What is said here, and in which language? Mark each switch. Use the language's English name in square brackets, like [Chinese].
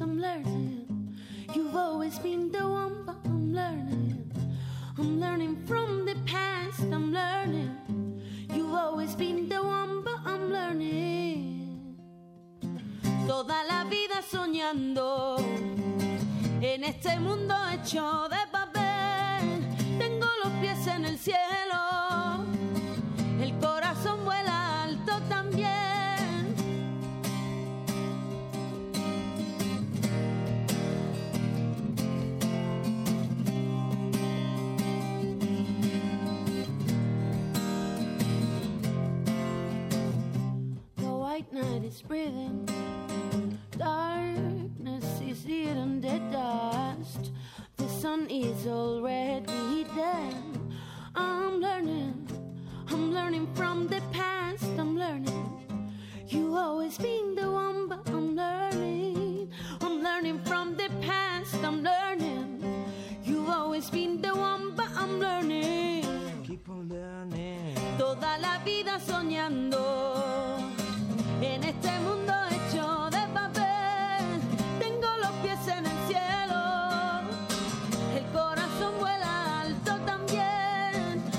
[English] I'm learning. You've always been the one, but I'm learning. I'm learning from the past. I'm learning. You've always been the one, but I'm learning. [Spanish] Toda la vida soñando en este mundo hecho de papel. Tengo los pies en el cielo. El corazón vuela alto también. [English] The white night is breathing. Darkness is eating the dust. The sun is already hidden. I'm learning. I'm learning from the past, I'm learning. You've always been the one, but I'm learning. I'm learning from the past, I'm learning. You've always been the one, but I'm learning. Keep on learning. [Spanish] Toda la vida soñando en este mundo hecho de papel. Tengo los pies en el cielo. El corazón vuela alto también.